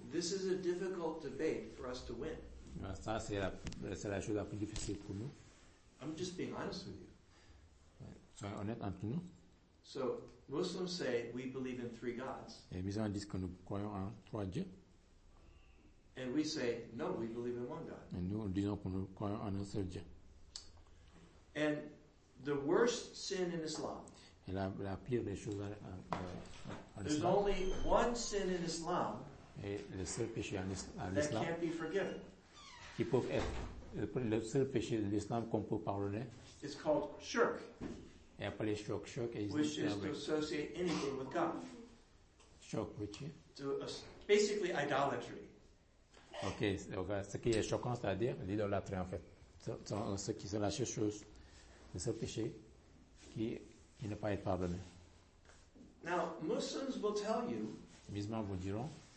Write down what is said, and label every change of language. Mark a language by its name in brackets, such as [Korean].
[English] This is a difficult debate for us to win. [French] Ça, c'est la chose la plus difficile pour nous. [English] I'm just being honest with you. [French] Soyons honnêtes entre nous. [English] So, Muslims say we believe in three gods. [French] Et les musulmans disent que nous croyons en trois dieux. [English] And we say, no, we believe in one God. [French] Et nous disons que nous croyons en un seul Dieu. [English] And the worst sin in Islam. [French] Et la pire des choses en [English] islam. There's only one sin in Islam. [French] Et le seul péché en [English] islam. That can't be forgiven. [French] Qui peut être le seul péché de l'islam qu'on peut pardonner. [English] It's called shirk. [French] Et appelé shirk. Shirk [English] is which is to associate anything with God. Shirk, which is? Basically idolatry. [French] Ok, donc, ce qui est choquant, c'est-à-dire l'idolâtrie en fait. C'est la seule chose, le seul péché qui. Il ne peut pas être pardonné. [English] Now, Muslims will tell you [French] les musulmans vous diront